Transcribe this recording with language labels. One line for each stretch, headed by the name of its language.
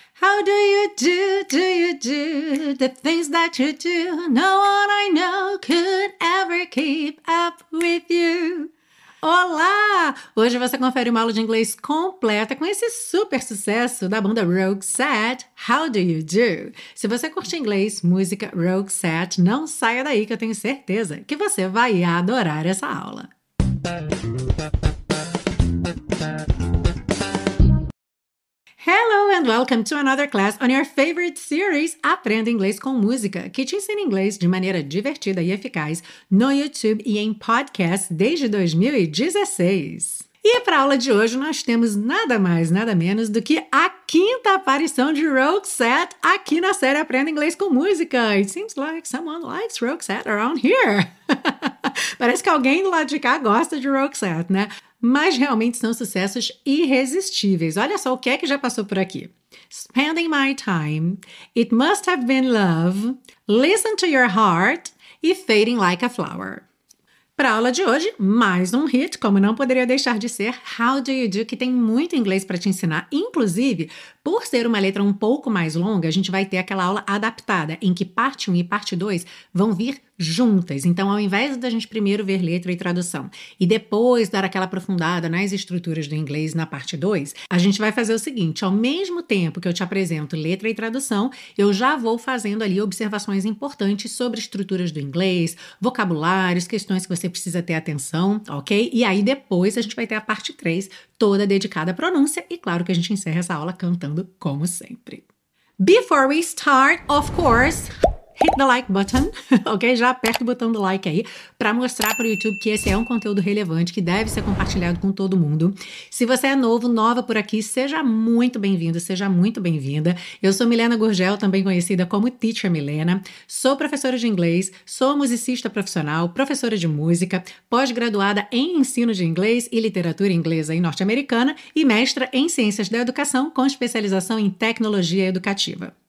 English: How do you do the things that you do? No one I know could ever keep up with you.
Portuguese: Olá! Hoje você confere uma aula de inglês completa com esse super sucesso da banda Rogueset, How Do You Do? Se você curte inglês, música Rogueset, não saia daí que eu tenho certeza que você vai adorar essa aula.
English: Hello and welcome to another class on your favorite series,
Portuguese: Aprenda Inglês com Música, que te ensina inglês de maneira divertida e eficaz no YouTube e em podcast desde 2016. E para a aula de hoje, nós temos nada mais, nada menos do que a quinta aparição de Rogueset aqui na série Aprenda Inglês com Música.
English: It seems like someone likes Rogueset around here.
Portuguese: Parece que alguém do lado de cá gosta de Rogueset, né? Mas realmente são sucessos irresistíveis. Olha só o que é que já passou por aqui. Spending My Time, It Must Have Been Love, Listen to Your Heart e Fading Like a Flower. Para a aula de hoje, mais um hit, como não poderia deixar de ser, How Do You Do, que tem muito inglês para te ensinar. Inclusive, por ser uma letra um pouco mais longa, a gente vai ter aquela aula adaptada, em que parte 1 e parte 2 vão vir juntas. Então, ao invés da gente primeiro ver letra e tradução e depois dar aquela aprofundada nas estruturas do inglês na parte 2, a gente vai fazer o seguinte: ao mesmo tempo que eu te apresento letra e tradução, eu já vou fazendo ali observações importantes sobre estruturas do inglês, vocabulários, questões que você precisa ter atenção, ok? E aí depois a gente vai ter a parte 3, toda dedicada à pronúncia, e claro que a gente encerra essa aula cantando como sempre.
English: Before we start, of course, hit the like button, ok?
Portuguese: Já aperta o botão do like aí para mostrar para o YouTube que esse é um conteúdo relevante que deve ser compartilhado com todo mundo. Se você é novo, nova por aqui, seja muito bem-vindo, seja muito bem-vinda. Eu sou Milena Gurgel, também conhecida como Teacher Milena. Sou professora de inglês, sou musicista profissional, professora de música, pós-graduada em ensino de inglês e literatura inglesa e norte-americana e mestra em ciências da educação com especialização em tecnologia educativa.